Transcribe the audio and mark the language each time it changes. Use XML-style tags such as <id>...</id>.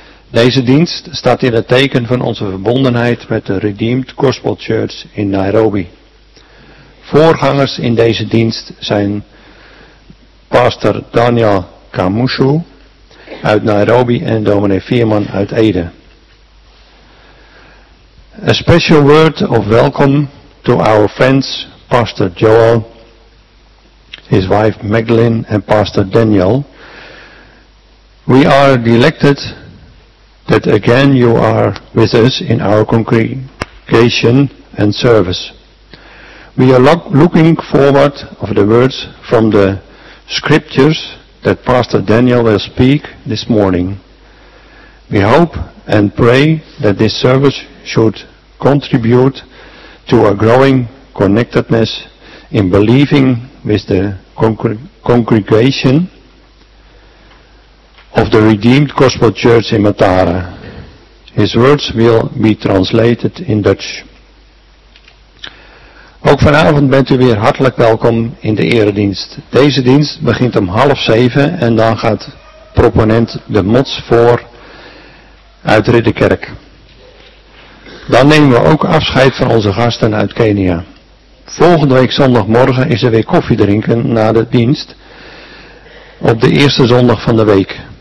<nl>Deze dienst staat in het teken van onze verbondenheid met de Redeemed Gospel Church in Nairobi. Voorgangers in deze dienst zijn pastor Daniel Kamushu uit Nairobi en dominee Vierman uit Ede.</nl> <en>A special word of welcome to our friends, pastor Joel, his wife Magdalene and pastor Daniel. We are delighted that again you are with us in our congregation and service. We are looking forward to the words from the scriptures that Pastor Daniel will speak this morning. We hope and pray that this service should contribute to a growing connectedness in believing with the congregation of the Redeemed Gospel Church in Matara. His words will be translated in Dutch.</en> <nl>Ook vanavond bent u weer hartelijk welkom in de eredienst. Deze dienst begint om 6:30 en dan gaat proponent de mots voor uit Ridderkerk. Dan nemen we ook afscheid van onze gasten uit Kenia. Volgende week zondagmorgen is er weer koffie drinken na de dienst op de eerste zondag van de week.</nl>